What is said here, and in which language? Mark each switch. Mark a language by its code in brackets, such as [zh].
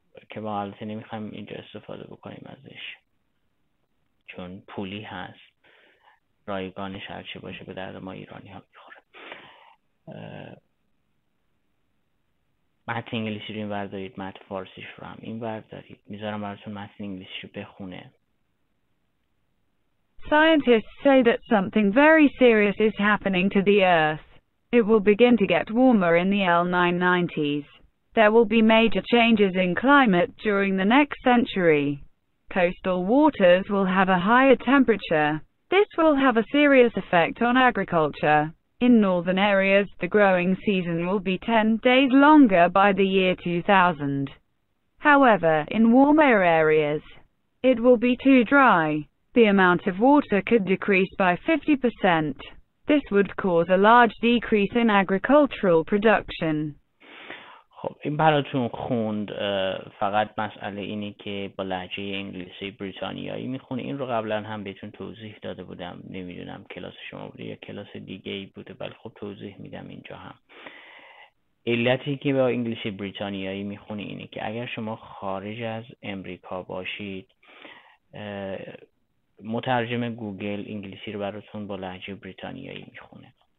[fa] چه که ما البته نمیخوایم اینجا استفاده بکنیم ازش، چون پولی هست، رایگانش هرچی باشه به درد ما ایرانی ها میخوره. متن انگلیسی رو این بردارید، متن فارسیش رو هم این بردارید، میذارم براتون متن انگلیسی رو بخونه. [en] Scientists say that something very serious is happening to the Earth. It will begin to get warmer in the 1990s. There will be major changes in climate during the next century. Coastal waters will have a higher temperature. This will have a serious effect on agriculture. In northern areas, the growing season will be 10 days longer by the year 2000. However, in warmer areas, it will be too dry. The amount of water could decrease by 50%. This would cause a large decrease in agricultural production. [fa] خب این براتون خوند، فقط مسئله اینه که با لهجه انگلیسی بریتانیایی میخونه. این رو قبلا هم بهتون توضیح داده بودم، نمیدونم کلاس شما بوده یا کلاس دیگه ای بوده، ولی خب توضیح میدم اینجا هم. علتی که با انگلیسی بریتانیایی میخونه اینه که اگر شما خارج از امریکا باشید، مترجم گوگل انگلیسی رو براتون با لهجه بریتانیایی میخونه.